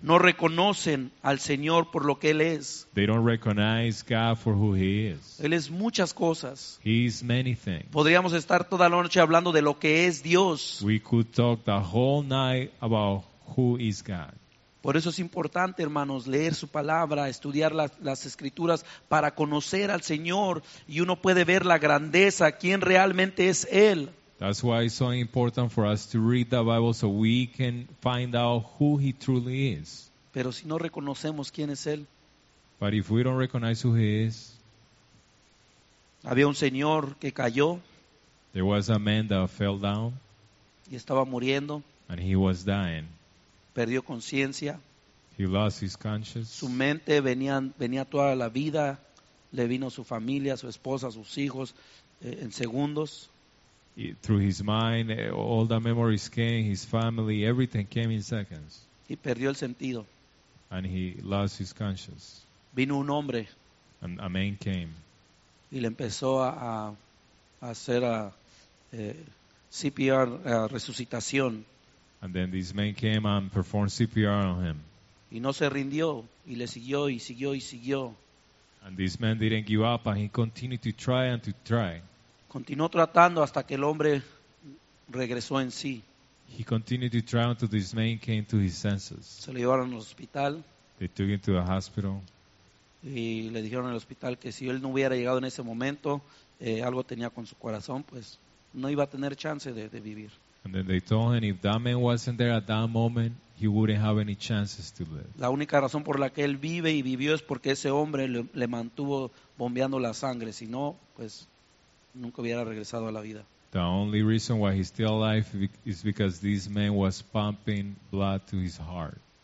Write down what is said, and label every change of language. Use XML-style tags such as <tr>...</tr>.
<es>No reconocen al Señor por lo que Él es.</es> <en>They don't recognize God for who He is.</en> <es>Él es muchas cosas.</es> <en>He is many things.</en> <es>Podríamos estar toda la noche hablando de lo que es Dios.</es> <en>We could talk the whole night about who is God.</en> <es>Por eso es importante, hermanos, leer su palabra, estudiar las escrituras para conocer al Señor, y uno puede ver la grandeza, quién realmente es Él.</es> <en>That's why it's so important for us to read the Bible so we can find out who He truly is.</en> <es>Pero si no reconocemos quién es Él.</es> <en>But if we don't recognize who He is.</en> <es>Había un señor que cayó.</es> <en>There was a man that fell down.</en> <es>Y estaba muriendo.</es> <en>And he was dying.</en> <es>Perdió conciencia.</es> <en>He lost his conscience.</en> <es>Su mente venía toda la vida. Le vino su familia, su esposa, sus hijos en segundos.</es> <en>Through his mind, all the memories came, his family, everything came in seconds.</en> <es>Y perdió el sentido.</es> <en>And he lost his conscience.</en> <es>Vino un hombre.</es> <en>And a man came.</en> <es>Y le empezó a hacer a CPR, resucitación.</es> <en>And then this man came and performed CPR on him.</en> <es>Y no se rindió, y le siguió, y siguió, y siguió.</es> <en>And this man didn't give up, and he continued to try and to try.</en> <es>Continuó tratando hasta que el hombre regresó en sí.</es> <en>He continued to try until this man came to his senses.</en> <es>Se lo llevaron al hospital.</es> <en>They took him to the hospital.</en> <es>Y le dijeron al hospital que si él no hubiera llegado en ese momento, algo tenía con su corazón, pues no iba a tener chance de vivir.</es> <en>And then they told him if that man wasn't there at that moment, he wouldn't have any chances to live.</en> <es>La única razón por la que él vive y vivió es porque ese hombre le mantuvo bombeando la sangre. Si no, pues nunca hubiera regresado a la vida.</es> <en>The only reason why he's still alive is because this man was pumping blood to his heart.</en>